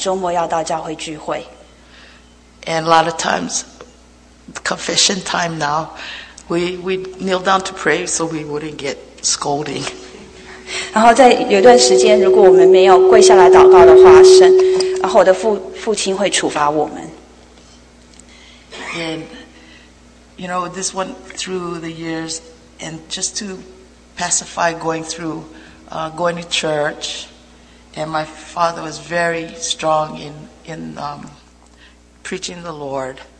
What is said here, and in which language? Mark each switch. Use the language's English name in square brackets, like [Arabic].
[Chinese] 所以我父亲会要求我们每天早上和晚上都要祷告，然后同时他有要求我们周末要到教会聚会。 [English] And a lot of times, confession time now, we kneel down to pray so we wouldn't get scolding. [Chinese] 然后在有一段时间，如果我们没有跪下来祷告的话，然后我的父亲会处罚我们。 [English] And you know, this went through the years, and just to pacify going through, going to church, and my father was very strong in preaching the Lord.